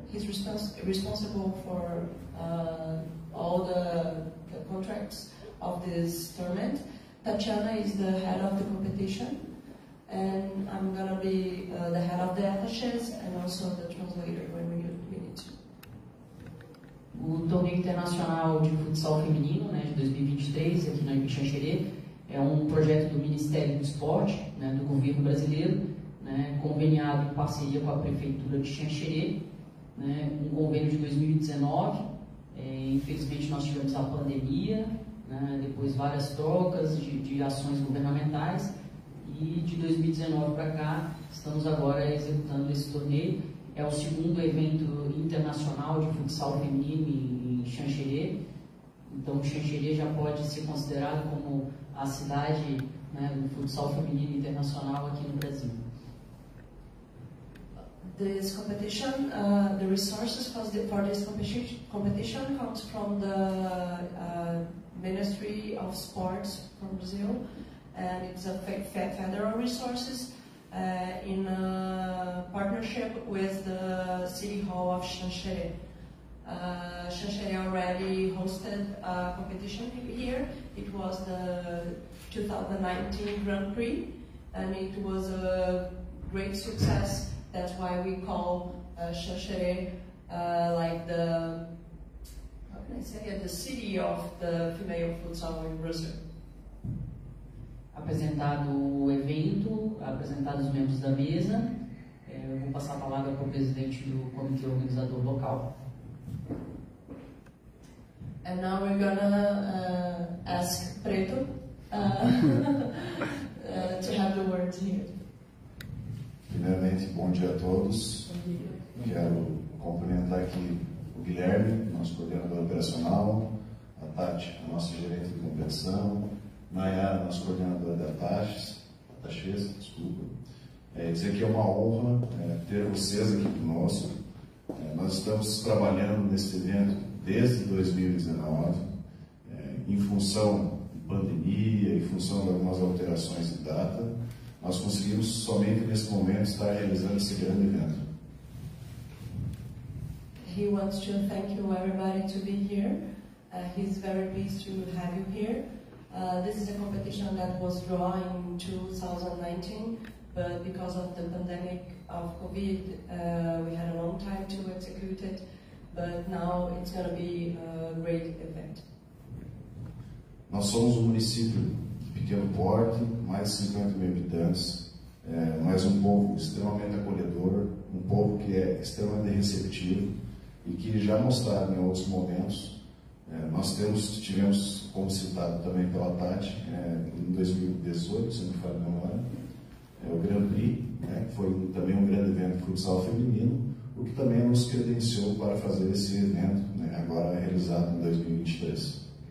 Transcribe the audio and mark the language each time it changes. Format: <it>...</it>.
<en>He's responsible for all the contracts of this tournament. Tatiana is the head of the competition. And I'm going to be the head of the attaches and also the translator when we need to.</en> <pt>O Torneio Internacional de Futsal Feminino, né, de 2023, aqui na Xanxerê, é um projeto do Ministério do Esporte, né, do governo brasileiro. Né, conveniado em parceria com a Prefeitura de Xanxerê, né, um convênio de 2019, infelizmente nós tivemos a pandemia, né, depois várias trocas de ações governamentais, e de 2019 para cá estamos agora executando esse torneio. É o segundo evento internacional de futsal feminino em Xanxerê, então Xanxerê já pode ser considerado como a cidade, né, do futsal feminino internacional aqui no Brasil.</pt> <en>This competition, the resources for this competition comes from the Ministry of Sports from Brazil, and it's a federal resources in a partnership with the City Hall of Xanxerê. Xanxerê already hosted a competition here. It was the 2019 Grand Prix, and it was a great success. That's why we call Xanxerê like the, how can I say it, the city of the female futsal in Brazil.</en> <pt>Apresentado o evento, apresentados os membros da mesa, eu vou passar a palavra para o presidente do comitê organizador local.</pt> <en>And now we're gonna ask Preto to have the word here.</en> <pt>Primeiramente, bom dia a todos. Quero cumprimentar aqui o Guilherme, nosso coordenador operacional, a Tati, a nossa gerente de competição, Nayara, nossa coordenadora de ataches. Dizer que é uma honra ter vocês aqui conosco. Nós estamos trabalhando nesse evento desde 2019, em função de pandemia, em função de algumas alterações de data. Nós conseguimos somente nesse momento estar realizando esse grande evento.</pt> <en>He wants to thank you everybody to be here. He's very pleased to have you here. This is a competition that was drawn in 2019, but because of the pandemic of COVID, we had a long time to execute it, but now it's going to be a great event.</en> <pt>Nós somos um município pequeno porte, mais de 50 mil habitantes, mas um povo extremamente acolhedor, um povo que é extremamente receptivo e que já mostraram em outros momentos. Nós tivemos, como citado também pela Tati, em 2018, se não me falha a memória, o Grand Prix, né, que foi também um grande evento de futsal feminino, o que também nos credenciou para fazer esse evento, né, agora realizado em 2023.</pt>